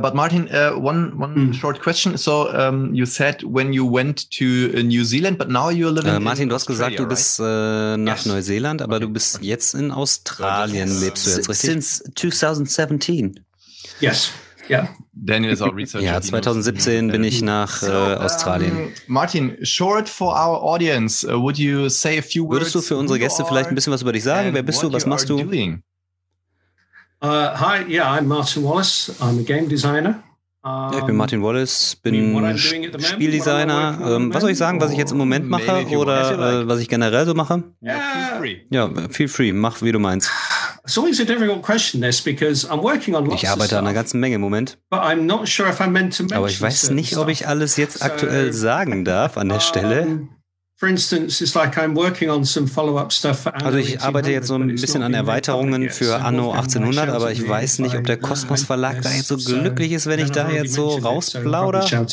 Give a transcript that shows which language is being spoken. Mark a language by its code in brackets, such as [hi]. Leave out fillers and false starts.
[en] But Martin, one short question. So you said when you went to New Zealand, but now you're living. [de] Martin, du hast gesagt, du bist nach Neuseeland, aber du bist jetzt in Australien. Lebst du jetzt richtig? [en] Since 2017. Yes. Yeah. Daniel is our researcher. [de] Ja, 2017 bin ich nach Australien. [en] Martin, short for our audience, would you say a few words? [de] Würdest du für unsere Gäste vielleicht ein bisschen was über dich sagen? Wer bist du? Was machst du? [en] Hi, I'm Martin Wallace. I'm a game designer. [de] Ja, ich bin Martin Wallace, bin Spieldesigner. Was soll ich sagen, was ich jetzt im Moment mache oder was ich generell so mache? Ja, [en] feel free, [de] mach wie du meinst. [en] It's always a difficult question, this, because I'm working on lots of [de] stuff. Ich arbeite an einer ganzen Menge im Moment. [en] But I'm not sure if I'm meant to mention. [de] Aber ich weiß nicht, ob ich alles jetzt aktuell sagen darf an der Stelle. [en] For instance, it's like I'm working on some follow-up stuff for Anno. [de] Also ich arbeite jetzt so ein bisschen an Erweiterungen für Anno 1800, aber ich weiß nicht, ob der Kosmos Verlag da jetzt so glücklich ist, wenn ich da jetzt so rausplaudere.